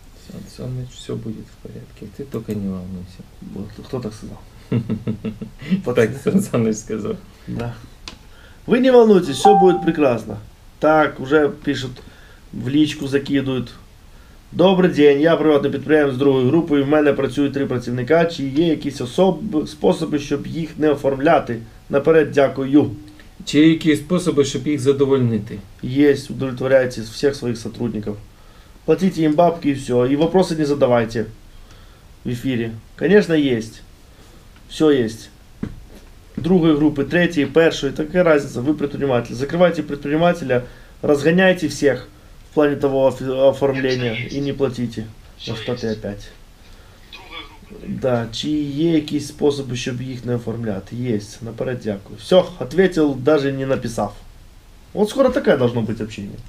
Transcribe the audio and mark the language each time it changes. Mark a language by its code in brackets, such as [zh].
[ru] Сан Саныч, все будет в порядке. Ты только не волнуйся. Вот. Кто так сказал? Так Сан Саныч сказал. Да. Вы не волнуйтесь, все будет прекрасно. Так, уже пишут, в личку закидывают. [uk] Добрий день, я приватний підприємець з другої групи, і в мене працюють три працівника. Чи є якісь способи, щоб їх не оформляти? Наперед дякую. Чи є якісь способи, щоб їх задовольнити? Є, удовлетворяйте всіх своїх сотрудників. Платіть їм бабки і все. І питання не задавайте в ефірі. Звісно, є. Все є. Другої групи, третьої, першої. Така різниця, ви предприниматель. Закривайте предпринимателя, розганяйте всіх. [ru] В плане того оформления и не платите. Все что есть. Ты опять? Да, чи есть какие-то способы, чтобы их не оформлять? Есть, [uk] наперед дякую. [ru] Все, ответил, даже не написав. Вот скоро такое должно быть общение.